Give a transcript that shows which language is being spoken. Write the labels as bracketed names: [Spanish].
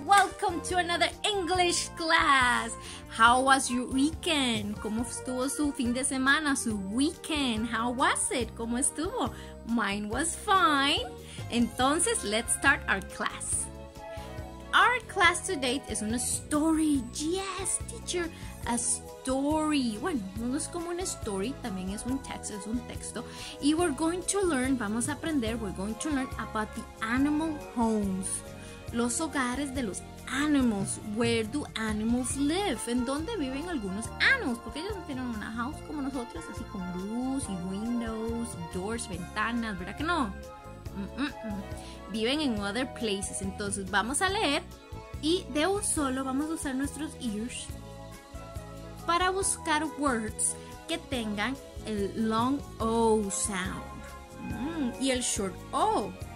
[English] Welcome to another English class! How was your weekend? [Spanish] ¿Cómo estuvo su fin de semana, su weekend? [English] How was it? [Spanish] ¿Cómo estuvo? [English] Mine was fine. Entonces, let's start our class. Our class today is on a story. Yes, teacher, a story. [Spanish] Bueno, no es como una story, también es un texto. [English] Y we're going to learn, [Spanish] vamos a aprender, [English] we're going to learn about the animal homes. [Spanish] Los hogares de los [English] animals. Where do animals live? [Spanish] ¿En dónde viven algunos animals? Porque ellos no tienen una house como nosotros, así con luz y [English] windows, doors, [Spanish] ventanas, ¿verdad que no? Viven en [English] other places. [Spanish] Entonces vamos a leer y de un solo vamos a usar nuestros ears para buscar words que tengan el long O sound y el short O.